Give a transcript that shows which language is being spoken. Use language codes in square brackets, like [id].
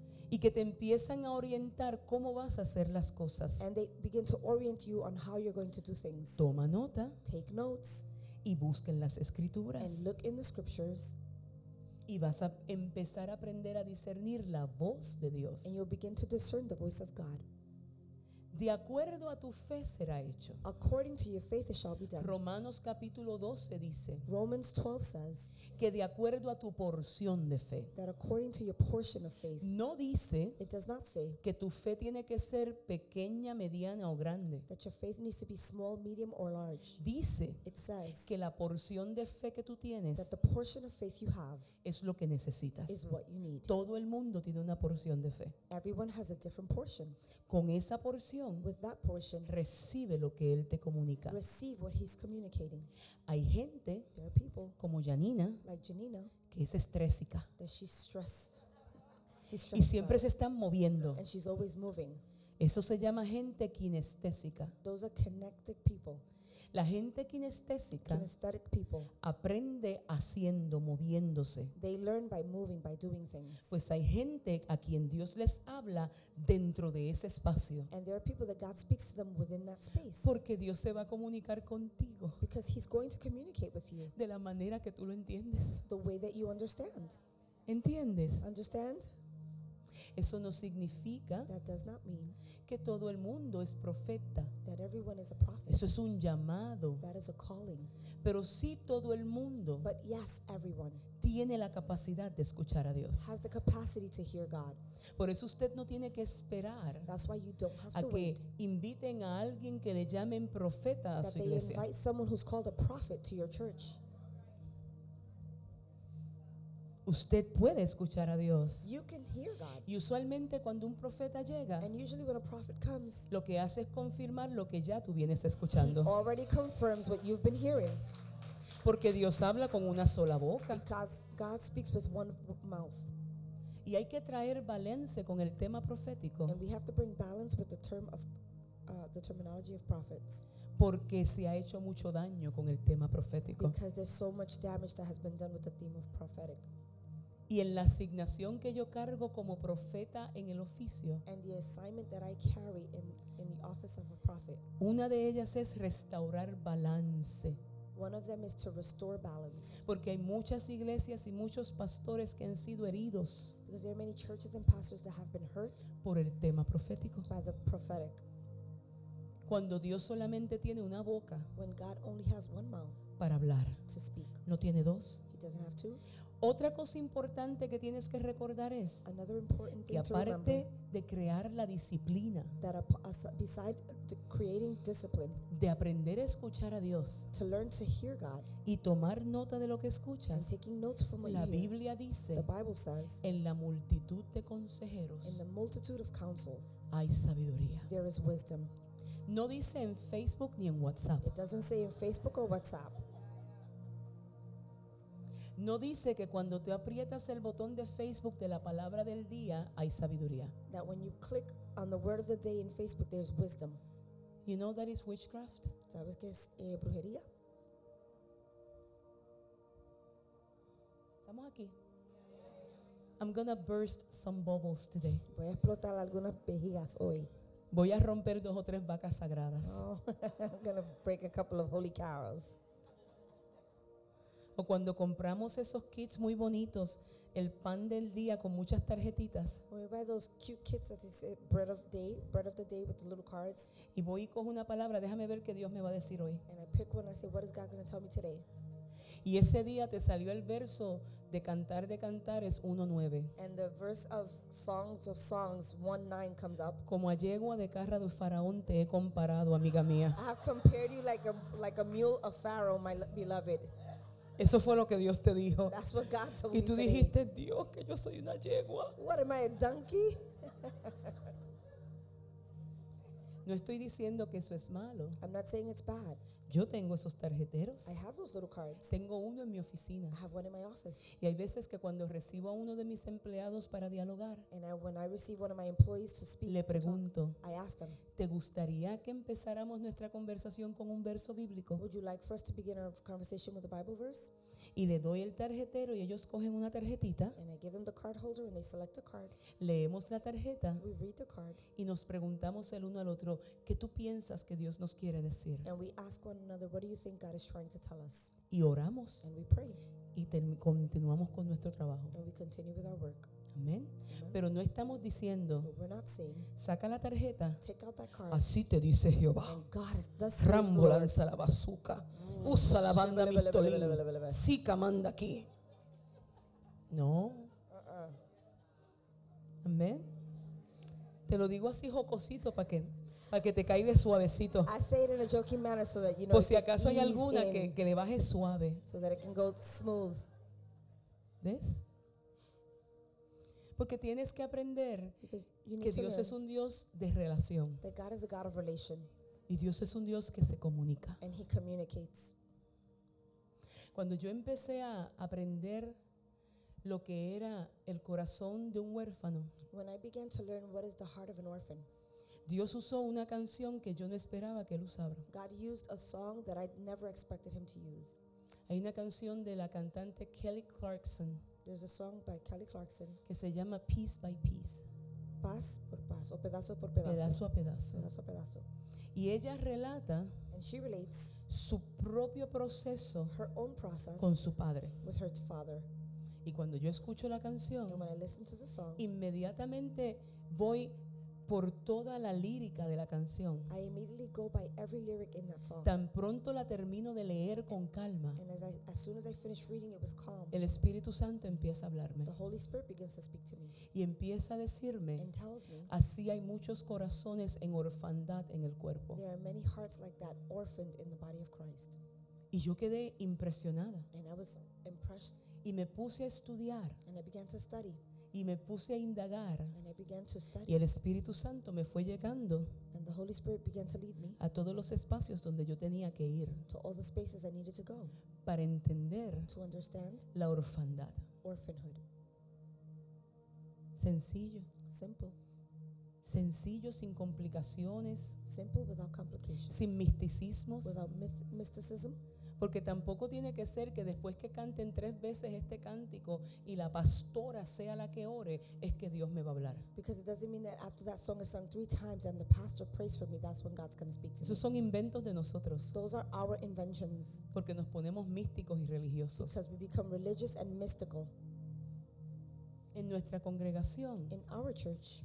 [es] Y que te empiezan a orientar cómo vas a hacer las cosas. [en] And they begin to orient you on how you're going to do things. [es] Toma nota. [en] Take notes. [es] Y busquen las escrituras. [en] And look in the scriptures. [es] Y vas a empezar a aprender a discernir la voz de Dios. [en] And you'll begin to discern the voice of God. [es] De acuerdo a tu fe será hecho. [en] According to your faith it shall be done. [es] Romanos capítulo 12 dice. [en] Romans 12 says. [es] Que de acuerdo a tu porción de fe. [en] That according to your portion of faith. [es] No dice. [en] It does not say. [es] Que tu fe tiene que ser pequeña, mediana o grande. [en] That your faith needs to be small, medium or large. [es] Dice. [en] It says. [es] Que la porción de fe que tú tienes. [en] That the portion of faith you have. [es] Es lo que necesitas. [en] Is what you need. [es] Todo el mundo tiene una porción de fe. [en] Everyone has a different portion. [es] Con esa porción, [en] with that portion, [es] recibe lo que él te comunica. [en] Receive what he's communicating. [es] Hay gente, [en] there are people, [es] como Janina, [en] like Janina, [es] que es estrésica. [en] That she's stressed. She's stressed. [es] Y siempre se están moviendo. [en] And she's always moving. [es] Eso se llama gente kinestésica. [en] Those are kinetic people. [es] La gente kinestésica, [en] kinesthetic people, [es] aprende haciendo, moviéndose. [en] They learn by moving, by doing things. [es] Pues hay gente a quien Dios les habla dentro de ese espacio. [en] And there are people that God speaks to them within that space. [es] Porque Dios se va a comunicar contigo. [en] Because he's going to communicate with you. [es] De la manera que tú lo entiendes. [en] The way that you understand. [es] ¿Entiendes? [en] Understand? [es] Eso no significa [en] that does not mean [es] que todo el mundo es profeta. [en] That everyone is a prophet. [es] Eso es un llamado. [en] That is a calling. [es] Pero sí todo el mundo, [en] but yes, everyone, [es] tiene la capacidad de escuchar a Dios. [en] Has the capacity to hear God. [es] Por eso usted no tiene que esperar, [en] that's why you don't have [es] a [en] to [es] que [en] wait, [es] inviten a alguien que le llamen profeta a su iglesia. [en] That they invite someone who's called a prophet to your church. [es] Usted puede escuchar a Dios. [en] You can hear God. [es] Y usualmente cuando un profeta llega, [en] and usually when a prophet comes, [es] lo que hace es confirmar lo que ya tú vienes escuchando. [en] He already confirms what you've been hearing. [es] Porque Dios habla con una sola boca. [en] Because God speaks with one mouth. [es] Y hay que traer balance con el tema profético. [en] And we have to bring balance with the term of the terminology of prophets. [es] Porque se ha hecho mucho daño con el tema profético. [en] Because there's so much damage that has been done with the theme of prophetic. [es] Y en la asignación que yo cargo como profeta en el oficio, [en] and the assignment that I carry in the office of a prophet, [es] una de ellas es restaurar balance. [en] One of them is to restore balance. [es] Porque hay muchas iglesias y muchos pastores que han sido heridos, [en] because there are many churches and pastors that have been hurt, [es] por el tema profético. [en] By the prophetic. [es] Cuando Dios solamente tiene una boca, [en] when God only has one mouth, [es] para hablar, [en] to speak. [es] No tiene dos. [en] He doesn't have two. [es] Otra cosa importante que tienes que recordar es [en] another important thing [es] que aparte [en] to remember, [es] de crear la disciplina, [en] that beside creating discipline, [es] de aprender a escuchar a Dios, [en] to learn to hear God, [es] y tomar nota de lo que escuchas, [en] and taking notes from what [es] la Biblia dice, [en] the Bible says, [es] en la multitud de consejeros, [en] in the multitude of counsel, [es] hay sabiduría. [en] There is wisdom. [es] No dice en Facebook ni en WhatsApp. [en] It doesn't say in Facebook or WhatsApp. [es] No dice que cuando te aprietas el botón de Facebook de la palabra del día hay sabiduría. [en] That when you click on the word of the day in Facebook there's wisdom. You know that is witchcraft? [es] ¿Sabes qué es brujería? Estamos aquí. [en] I'm gonna burst some bubbles today. [es] Voy a explotar algunas vejigas hoy. Voy a romper dos o tres vacas sagradas. [en] Oh, I'm gonna break a couple of holy cows. [es] O cuando compramos esos kits muy bonitos, el pan del día con muchas tarjetitas. [en] We buy those cute kits that say bread of day, bread of the day with the little cards. [es] Y voy y cojo una palabra, déjame ver qué Dios me va a decir hoy. [en] And I pick one, I say, what is God going to tell me today? [es] Y ese día te salió el verso de Cantar de Cantares 1:9. [en] And the verse of Songs of Songs 1:9 comes up. [es] Como a yegua de carro de faraón te he comparado, amiga mía. [en] I have compared you like a mule of Pharaoh, my beloved. [es] Eso fue lo que Dios te dijo. [en] That's what God told [es] y tú [en] me [es] dijiste, Dios, que yo soy una yegua. [en] What am I, a donkey? [es] No estoy diciendo que eso es malo. [en] I'm not saying it's bad. [es] Yo tengo esos tarjeteros. [en] I have those little cards. [es] Tengo uno en mi oficina. [en] I have one in my office. [es] Y hay veces que cuando recibo a uno de mis empleados para dialogar, le pregunto, [en] I ask them, [es] ¿te gustaría que empezáramos nuestra conversación con un verso bíblico? [en] Would you like for us to begin our conversation with a Bible verse? [es] Y le doy el tarjetero y ellos cogen una tarjetita. [en] And I give them the card holder and they select a card. [es] Leemos la tarjeta. [en] We read the card. [es] Y nos preguntamos el uno al otro, ¿qué tú piensas que Dios nos quiere decir? [en] And we ask one another, what do you think God is trying to tell us? [es] Y oramos. [en] And we pray. [es] Y continuamos con nuestro trabajo. [en] And we continue with our work. [es] Amén. Pero no estamos diciendo, [en] we're not saying, [es] saca la tarjeta. [en] Take out that card. [es] Así te dice Jehová. [en] And God is the [es] Rambo lanza la bazooka. Usa la banda Mistolín. Sica manda aquí. No. Amén. Te lo digo así jocosito para que te caiga suavecito. [en] I say it in a joking manner so that you know. [es] Por si acaso hay alguna que le baje suave. [en] So that it can go smooth. [es] ¿Ves? Porque tienes que aprender que Dios es un Dios de relación. [en] That God is a God of relation. [es] Y Dios es un Dios que se comunica. [en] And he communicates. [es] Cuando yo empecé a aprender lo que era el corazón de un huérfano, [en] when I began to learn what is the heart of an orphan, [es] Dios usó una canción que yo no esperaba que él usara. [en] God used a song that I never expected him to use. [es] Hay una canción de la cantante Kelly Clarkson. [en] There's a song by Kelly Clarkson [es] que se llama Piece by Piece. Paz por paz o pedazo por pedazo. Pedazo a pedazo. Pedazo a pedazo. Y ella relata [en] and she relates [es] su propio proceso, [en] her own process, [es] con su padre. [en] With her father. [es] Y cuando yo escucho la canción, [en] and when I listen to the song, [es] inmediatamente voy por toda la lírica de la canción. [en] I immediately go by every lyric in that song. [es] Tan pronto la termino de leer con calma, [en] and as soon as I finish reading it with calm, [es] el Espíritu Santo empieza a hablarme. [en] The Holy Spirit begins to speak to me. [es] Y empieza a decirme, [en] and tells me, [es] así hay muchos corazones en orfandad en el cuerpo. [en] There are many hearts like that orphaned in the body of Christ. [es] Y yo quedé impresionada. [en] And I was impressed. [es] Y me puse a estudiar. [en] And I began to study. [es] Y me puse a indagar. [en] And I began to study. [es] Y el Espíritu Santo me fue llegando. [en] And the Holy Spirit began to lead me. [es] A todos los espacios donde yo tenía que ir. [en] To all the spaces I needed to go. [es] Para entender. [en] To understand. [es] La orfandad. [en] Orphanhood. [es] Sencillo. [en] Simple. [es] Sencillo, sin complicaciones. [en] Simple, without complications. [es] Sin misticismos. [en] Without mysticism. [es] Porque tampoco tiene que ser que después que canten tres veces este cántico y la pastora sea la que ore, es que Dios me va a hablar. [en] Because it doesn't mean that after that song is sung three times and the pastor prays for me, that's when God's going to speak to me. [es] Esos son inventos de nosotros. [en] Those are our inventions. [es] Porque nos ponemos místicos y religiosos. [en] Because we become religious and mystical. [es] En nuestra congregación, [en] in our church,